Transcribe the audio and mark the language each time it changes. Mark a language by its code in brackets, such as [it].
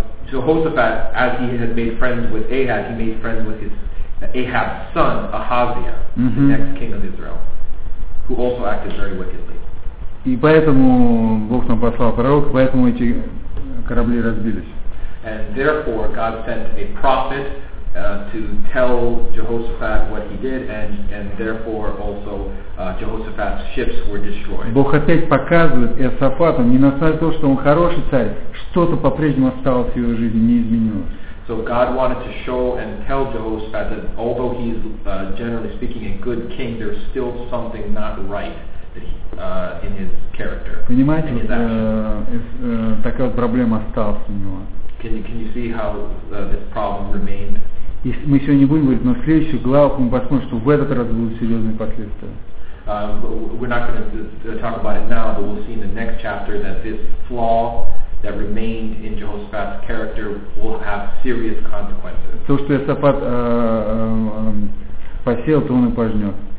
[en] Jehoshaphat, as he had made friends with Ahab, he made friends with his Ahab's son, Ahaziah, the next king of Israel, who also acted very wickedly. [ru] И поэтому Бог там послал пророк, поэтому эти корабли разбились. [en] And therefore God sent a prophet to tell Jehoshaphat what he did, and therefore also Jehoshaphat's ships were destroyed. [ru] Бог опять показывает Иосафату, не на то, что он хороший царь, что-то по-прежнему осталось в его жизни, не изменилось. [en] So God wanted to show and tell Jehoshaphat that although he is generally speaking a good king, there's still something not right. In his character. [ru] Понимаете, [en] in his [ru] такая вот проблема осталась у него. [en] Can you see how this problem remained? [ru] И мы сегодня будем говорить, но в следующую главу мы посмотрим, что в этот раз будут серьезные последствия. [en] We're not going to talk about it now, but we'll see in the next chapter that this flaw that remained in Jehoshaphat's character will have serious consequences. [ru] То, что Иосафат посеял, то он и пожнет.